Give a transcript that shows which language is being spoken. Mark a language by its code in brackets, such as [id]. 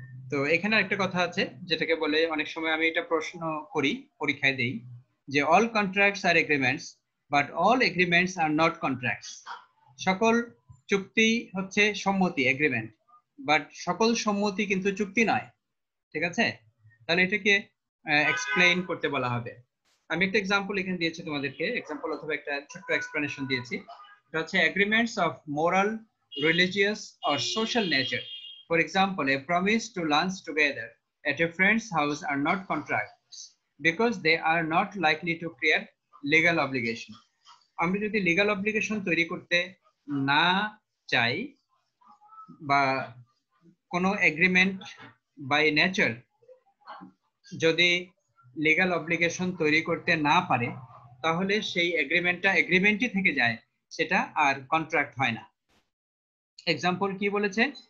[bn] তো এখানে একটা কথা আছে যেটাকে বলে, অনেক সময় আমি এটা প্রশ্ন করি, পরীক্ষায় দেই, যে [en] all contracts are agreements but all agreements are not contracts, [bn] সকল চুক্তি হচ্ছে সম্মতি, এগ্রিমেন্ট, বাট সকল সম্মতি কিন্তু চুক্তি নয়। ঠিক আছে, তাহলে এটাকে এক্সপ্লেইন করতে বলা হবে। আমি একটা এক্সাম্পল এখানে দিয়েছি তোমাদেরকে, এক্সাম্পল অথবা একটা ছোট্ট এক্সপ্লেনেশন দিয়েছি, এটা হচ্ছে [en] Agreements of moral, religious or social nature. For example, a promise to lunch together at a friend's house are not contracts because they are not likely to create [bn] legal obligation আমরা যদি legal obligation তৈরি করতে না চাই বা কোনো agreement by nature যদি legal obligation তৈরি করতে না পারে তাহলে সেই এগ্রিমেন্টটা এগ্রিমেন্টই থেকে যায়, সেটা আর কন্ট্রাক্ট হয় না। এক্সাম্পল কি বলেছে?